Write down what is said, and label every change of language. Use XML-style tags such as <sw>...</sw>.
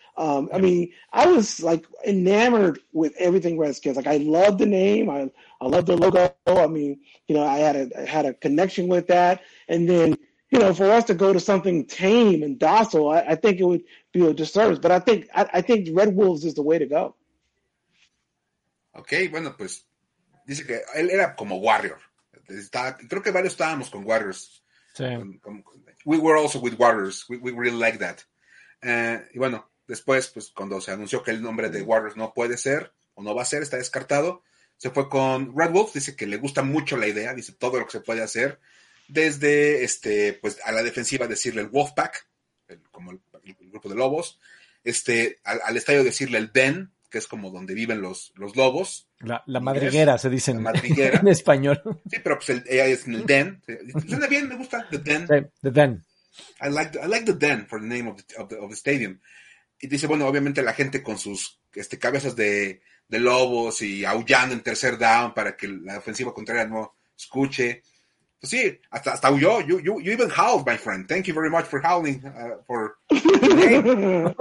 <en>I mean, I was like enamored with everything Redskins. Like, I love the name. I love the logo. I mean, you know, I had a connection with that. And then, you know, for us to go to something tame and docile, I think it would be a disservice. But I think Red Wolves is the way to go.</en> <es>Okay, bueno, pues dice que él era como Warrior. Creo que varios estábamos con Warriors.</es> <en>We were also with Warriors. We really like that.</en> <es>Y bueno. Después, pues, cuando se anunció que el nombre de Warriors no puede ser o no va a ser, está descartado, se fue con Red Wolves. Dice que le gusta mucho la idea, dice todo lo que se puede hacer, desde, pues, a la defensiva decirle el Wolfpack, como el grupo de lobos, al estadio decirle el Den, que es como donde viven los lobos. La madriguera, se dice la madriguera. En español. Sí, pero pues ella es en el Den. Suena bien, me gusta, the Den. Sí, the Den.</es> <en>I like the Den for the name of the stadium.</en> <es>Y dice, bueno, obviamente la gente con sus cabezas de lobos y aullando en tercer down para que la ofensiva contraria no escuche. Pues sí, hasta aulló.</es> <en>You even howled, my friend. Thank you very much for howling for the game.</en>